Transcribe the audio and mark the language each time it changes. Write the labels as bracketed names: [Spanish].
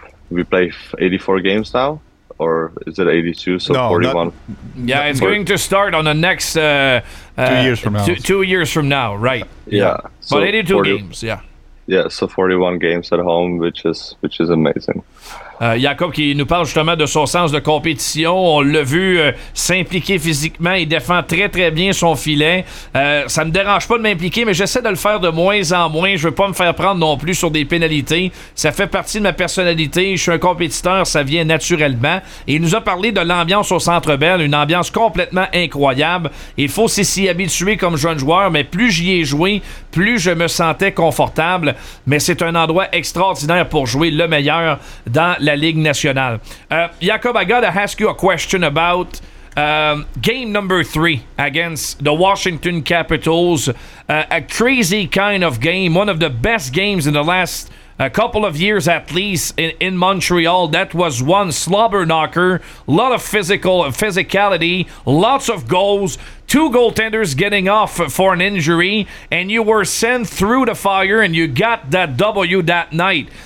[English] We play 84 games now, or is it 82? So no, 41. It's going to start on the next 2 years from now. Two years from now, right? Yeah. So but 82 games, yeah. Yeah, so 41 games at home, which is amazing. [French] Jakob qui nous parle justement de son sens de compétition. On l'a vu s'impliquer physiquement. Il défend très, très bien son filet. Ça me dérange pas de m'impliquer, mais j'essaie de le faire de moins en moins. Je veux pas me faire prendre non plus sur des pénalités. Ça fait partie de ma personnalité. Je suis un compétiteur, ça vient naturellement. Et il nous a parlé de l'ambiance au Centre Bell, une ambiance complètement incroyable. Il faut s'y habituer comme jeune joueur, mais plus j'y ai joué, plus je me sentais confortable. Mais c'est un endroit extraordinaire pour jouer le meilleur dans la Ligue nationale. [English] Jakob, I gotta ask you a question about game number 3 against the Washington Capitals. A crazy kind of game, one of the best games in the last couple of years at least in Montreal. That was one slobber knocker, a lot of physicality, lots of goals, two goaltenders getting off for an injury, and you were sent through the fire and you got that W that night.